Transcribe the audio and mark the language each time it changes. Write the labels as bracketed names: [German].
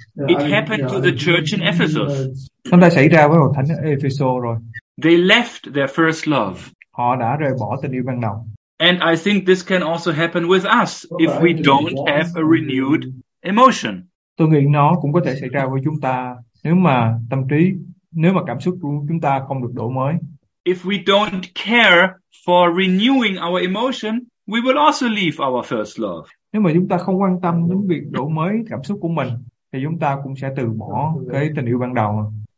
[English] It happened to the church in Ephesus. [Vietnamese] Nó đã xảy ra với hội thánh ở Ephesus rồi. [English] They left their first love. [Vietnamese] Họ đã rời bỏ tình yêu ban đầu. [English] And I think this can also happen with us if we don't have a renewed emotion. [Vietnamese] Tôi nghĩ nó cũng có thể xảy ra với chúng ta nếu mà tâm trí, nếu mà cảm xúc của chúng ta không được đổi mới. [English] If we don't care for renewing our emotion, we will also leave our first love. [Vietnamese] Nếu mà chúng ta không quan tâm đến việc đổi mới cảm xúc của mình, thì chúng ta cũng sẽ từ bỏ cái tình yêu ban đầu.